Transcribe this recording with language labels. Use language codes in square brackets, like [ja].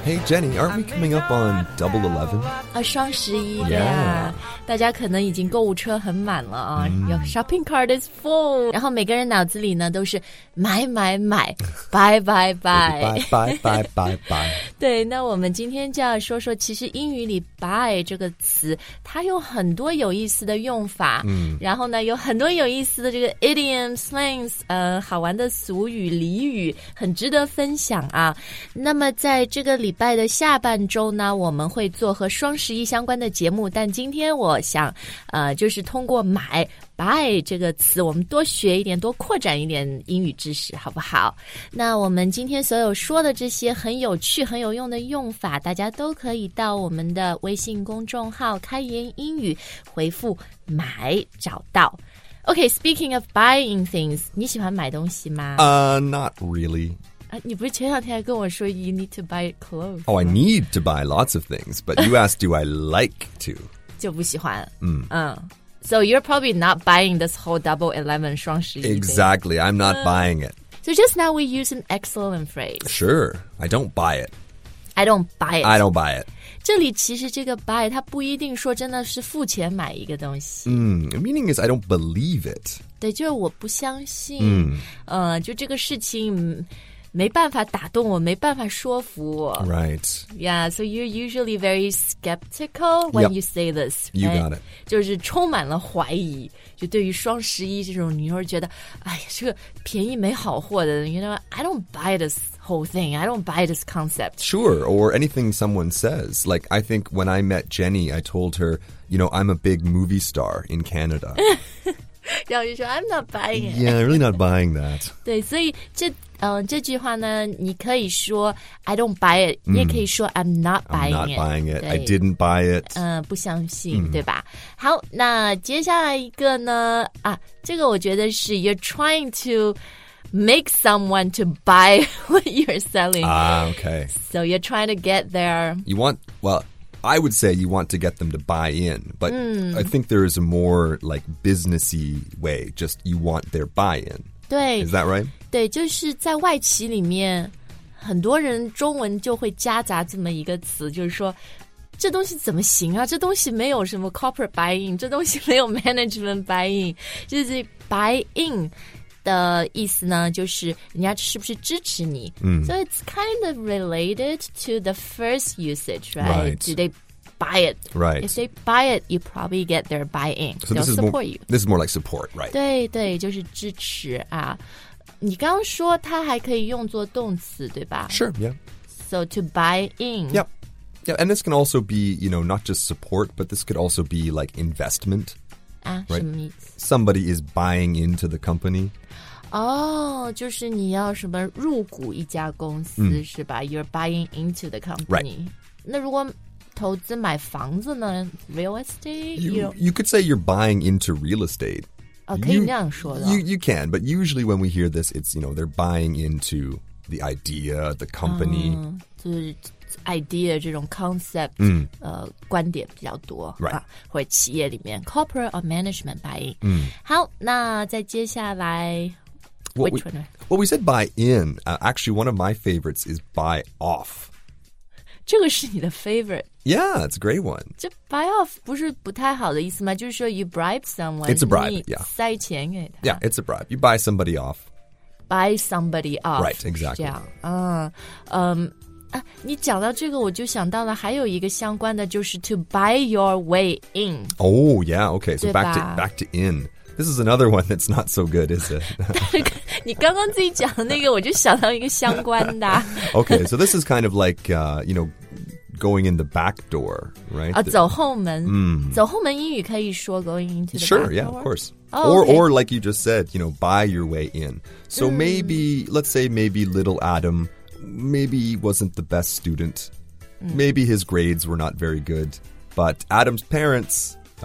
[en] Hey Jenny, aren't we coming up on Double Eleven? [zh] 啊，双十一。 [en] Yeah. [zh] 大家可能已经购物车很满了啊、 [en] Your shopping cart is full. [zh] 然后每个人脑子里呢都是买买买，拜拜拜，拜拜拜拜拜。对，那我们今天就要说说，其实英语里 buy 这个词，它有很多有意思的用法。嗯。然后呢，有很多有意思的这个 idiom slangs， 好玩的俗语俚语，很值得分享啊。那么在这个礼拜的下半周呢，我们会做和双十一相关的节目，但今天我想就是通过买 buy 这个词，我们多学一点，多扩展一点英语知识，好不好？那我们今天所有说的这些很有趣很有用的用法，大家都可以到我们的微信公众号开言英语回复买找到。 [en] Okay, speaking of buying things, [zh] 你喜欢买东西吗？ [en] Not really. [zh] 你不是前两天还跟我说 [en] you need to buy clothes? Oh, I need to buy lots of things, but you asked do I like to? [zh] 就不喜欢。 [en] So you're probably not buying this whole Double Eleven 双十一 thing. Exactly, I'm not buying it. So just now we use an excellent phrase. Sure, I don't buy it. I don't buy it. I don't buy it. [zh] 这里其实这个 buy 它不一定说真的是付钱买一个东西。 [en] Meaning is I don't believe it. [zh] 对，就是我不相信。就这个事情没办法打动我，没办法说服我。 [en] Right. Yeah, so you're usually very skeptical when yep. you say this.、Right? You got it. [zh] 就是充满了怀疑，就对于双十一这种，你就是觉得，哎呀，这个便宜没好货的。 [en] You know, I don't buy this. Whole thing. I don't buy this concept. Sure, or anything someone says. Like, I think when I met Jenny, I told her, you know, I'm a big movie star in Canada. [zh] 然后就说 [en] I'm not buying it. Yeah, I'm really not buying that. [zh] 对，所以这句话呢，你可以说 [en] I don't buy it. [zh] 你也可以说 [en] I'm not buying it. I'm not buying it. I didn't buy it. [zh] 不相信，对吧？好，那接下来一个呢？啊，这个我觉得是 [en] you're trying to. Make someone to buy what you're selling. Okay. So you're trying to get their... I would say you want to get them to buy in, but I think there is a more, like, businessy way. Just you want their buy-in. 对。 Is that right? [zh] 对,就是在外企里面,很多人中文就会夹杂这么一个词,就是说,这东西怎么行啊? 这东西没有什么 corporate buy-in, 这东西没有 management buy-in, 就是 buy-in。的意思呢就是人家是不是支持你、 [en] So it's kind of related to the first usage, right? Right. Do they buy it? Right. If they buy it, you probably get their buy-in. So this is, support more, you. This is more like support, right? [zh] 对对就是支持啊。你刚刚说它还可以用作动词对吧 [en] Sure, yeah. So to buy in. Yep. Yeah, and this can also be, you know, not just support, but this could also be like investment. Right. Somebody is buying into the company. [zh] Oh, 就是你要什么入股一家公司、是吧 [en] You're buying into the company. Right. [zh] 那如果投资买房子呢 Real estate? [en] You could say you're buying into real estate.、 [zh] 可以那样说的。 [en] You can, but usually when we hear this, it's, you know, they're buying into the idea, the company.、 [zh] 就是idea 这种 concept、观点比较多、 [en] right. [zh] 或者企业里面 [en] corporate or management buy in、 [zh] 好那再接下来 [en] what we said buy in、actually one of my favorites is buy off [zh] 这个是你的 favorite [en] yeah it's a great one [zh] 这 buy off 不是不太好的意思吗就是说 [en] you bribe someone it's a bribe yeah [zh] 塞钱给他 [en] yeah it's a bribe you buy somebody off buy somebody off right exactly [zh] 这样你讲到这个我就想到了还有一个相关的就是 [en] to buy your way in. Oh, yeah, okay, so back to in. This is another one that's not so good, is it? [zh] 你刚刚自己讲的那个我就想到一个相关的。 [en] Okay, so this is kind of like, you know, going in the back door, right? [zh] 走后门。 Mm. 走后门英语可以说 [en] going into the back door? Sure, yeah, of course. Oh, okay. Or like you just said, you know, buy your way in. So maybe, let's say maybe little Adam... Maybe he wasn't the best student.、Maybe his grades were not very good. But Adam's parents...